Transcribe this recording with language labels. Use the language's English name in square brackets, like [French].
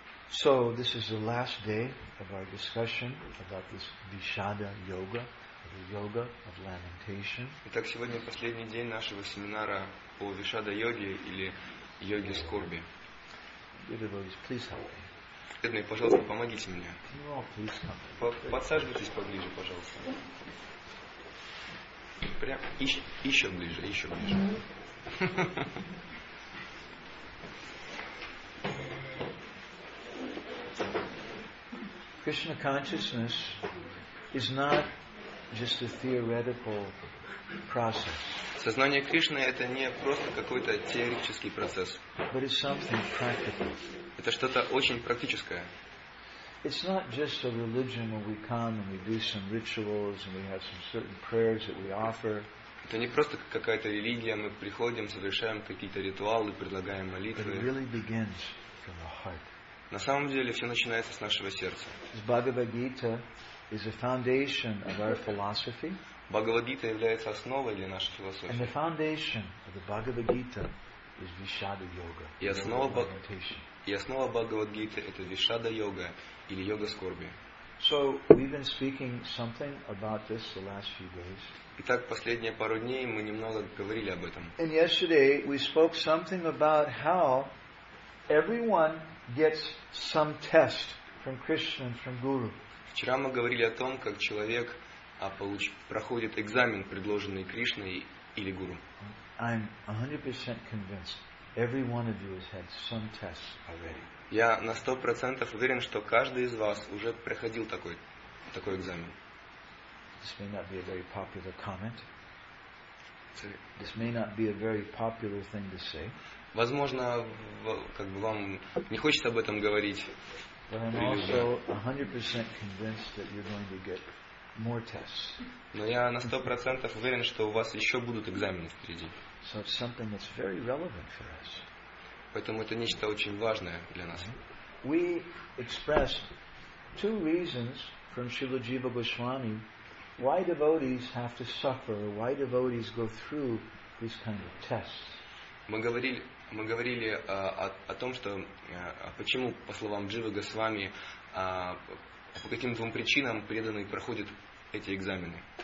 [English] So this is the last day of our discussion about this Vishada Yoga, of yoga of lamentation. [Russian] Итак, сегодня последний день нашего семинара по вишада йоге или йоге скорби. Бедные, пожалуйста, помогите мне. [English] No, please come. [Russian] Подсаживайтесь поближе, пожалуйста. Прям еще ближе, еще ближе. [English] Krishna consciousness is not just a theoretical process. [Russian] Сознание Кришны это не просто какой-то теоретический процесс. [English] But it's something practical. [Russian] Это что-то очень практическое. [English] It's not just a religion where we come and we do some rituals and we have some certain prayers that we offer. [Russian] Это не просто какая-то религия, мы приходим, совершаем какие-то ритуалы, предлагаем молитвы. [English] But it really begins from the heart. [Russian] На самом деле все начинается с нашего сердца. [English] Бхагавад-гита is the foundation of our philosophy. [Russian] Бхагавад-гита является основой для нашей философии. [English] And the foundation of the Бхагавад-гита is Вишада йога. [Russian] И основа Бхагавад-гиты это Вишада йога или йога скорби. [English] So we've been speaking something about this the last few days. [Russian] Итак, последние пару дней мы немного говорили об этом. [English] And yesterday we spoke something about how everyone gets some test from Krishna and from Guru. [Russian] Вчера мы говорили о том, как человек проходит экзамен, предложенный Кришной или Гуру. [English] I'm 100% convinced every one of you has had some test already. [Russian] Я на 100% уверен, что каждый из вас уже проходил такой экзамен. [English] This may not be a very popular comment. This may not be a very popular thing to say. [Russian] Возможно, как бы вам не хочется об этом говорить. Но я на 100% уверен, что у вас еще будут экзамены впереди. [English] So it's something that's very relevant for us. [Russian] Поэтому это нечто очень важное для нас. [English] We express two reasons from Śrīla Jīva Gosvāmī why devotees have to suffer, why devotees go through these kind of tests. [Russian] Мы говорили о том, что почему, по словам Дживы Госвами, по каким двум причинам преданные проходят эти экзамены.